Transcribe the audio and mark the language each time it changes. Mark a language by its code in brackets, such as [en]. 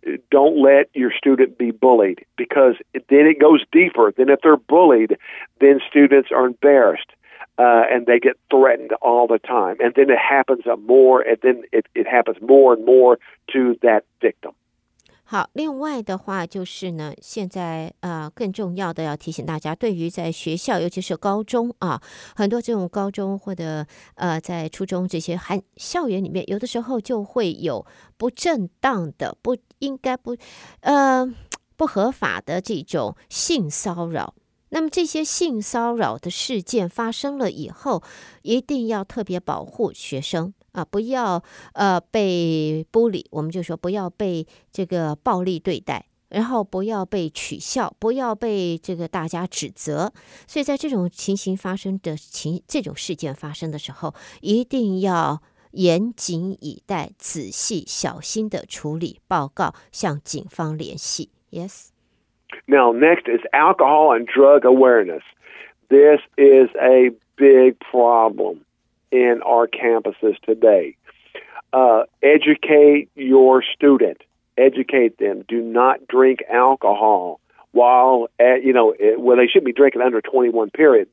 [en] don't let your student be bullied, because then it goes deeper. Then if they're bullied, then students are embarrassed. And they get threatened all the time. And then it happens more, and then it happens more and more to that victim. [zh] 好，另外的话就是呢，现在更重要的要提醒大家，对于在学校，尤其是高中啊，很多这种高中或者在初中这些含校园里面，有的时候就会有不正当的、不应该不不合法的这种性骚扰。那么这些性骚扰的事件发生了以后，一定要特别保护学生啊，不要被bully，我们就说不要被这个暴力对待，然后不要被取笑，不要被这个大家指责。所以在这种情形发生的这种事件发生的时候，一定要严谨以待，仔细小心的处理报告，向警方联系。 [en] Yes。 Now, next is alcohol and drug awareness. This is a big problem in our campuses today. Educate your student. Educate them. Do not drink alcohol while, they shouldn't be drinking under 21, period.